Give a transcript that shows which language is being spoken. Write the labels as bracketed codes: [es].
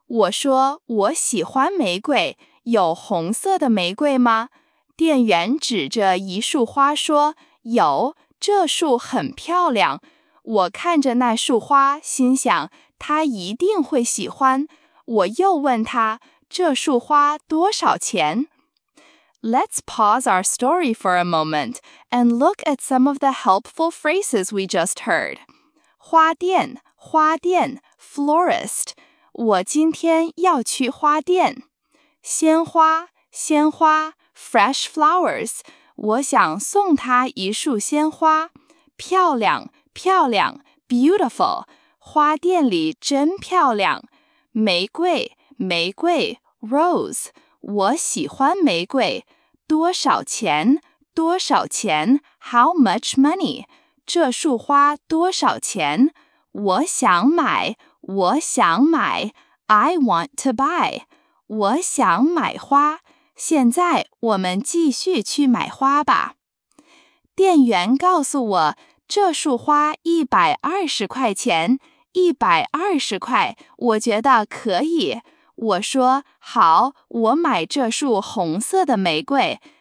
[zh] 我说我喜欢玫瑰，有红色的玫瑰吗？店员指着一束花说，有，这束很漂亮。我看着那束花，心想他一定会喜欢。我又问他，这束花多少钱？ [en] Let's pause our story for a moment and look at some of the helpful phrases we just heard. [zh] 花店，花店， florist, 我今天要去花店。鲜花，鲜花， [en] fresh flowers, [zh] 我想送他一束鲜花。漂亮，漂亮， beautiful, 花店里真漂亮。玫瑰，玫瑰， rose, 我喜欢玫瑰。多少钱，多少钱， [en] how much money, [zh] 这束花多少钱？我想买，我想买， [en] I want to buy. [zh] 我想买花。现在我们继续去买花吧。店员告诉我，这束花120块钱，120块，我觉得可以。我说，好，我买这束红色的玫瑰。